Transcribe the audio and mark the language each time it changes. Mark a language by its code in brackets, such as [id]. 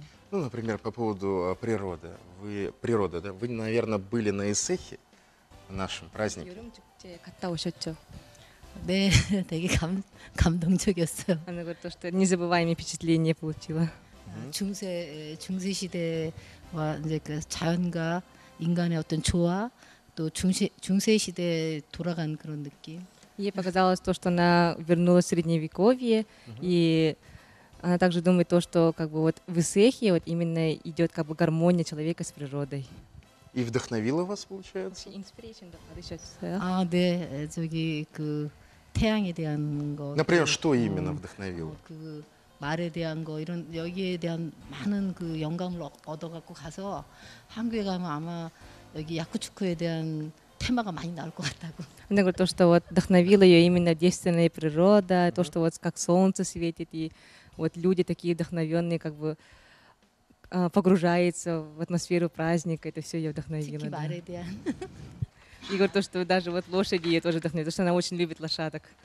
[ru] Ну, например, по поводу природы. Вы природа, да? Вы, наверное, были на Эсэхе, в нашем празднике. [ko] 여름축제 갔다 오셨죠? 네, 되게 감동적이었어요. [ru] Она говорит, что незабываемые впечатления получила. [ko] 중세 시대와 이제 그 자연과 인간의 어떤 조화, 또 중세 시대에 돌아간 그런 느낌. [ru] Ей показалось то, что она вернулась в средневековье и она также думает то, что как бы вот в Эсэхе вот именно идет как бы гармония человека с природой. И вдохновила вас, получается? Inspiration, да, подышать. [ko] А, да, 저기 그 태양에 대한 거. [ru] Например, что именно вдохновило? [ko] 그 말에 대한 거, 이런 여기에 대한 많은 그 영감을 얻어 갖고 가서 한국에 가면 아마 여기 야쿠츠크에 대한 темага мани наал ко атаку. [ru] Она говорит, то, что вот вдохновила ее именно действенная природа, то, что вот как солнце светит, и вот люди такие вдохновенные, как бы погружаются в атмосферу праздника, это все ее вдохновило. И говорит, то, что даже вот лошади ее тоже вдохновили, потому что она очень любит лошадок.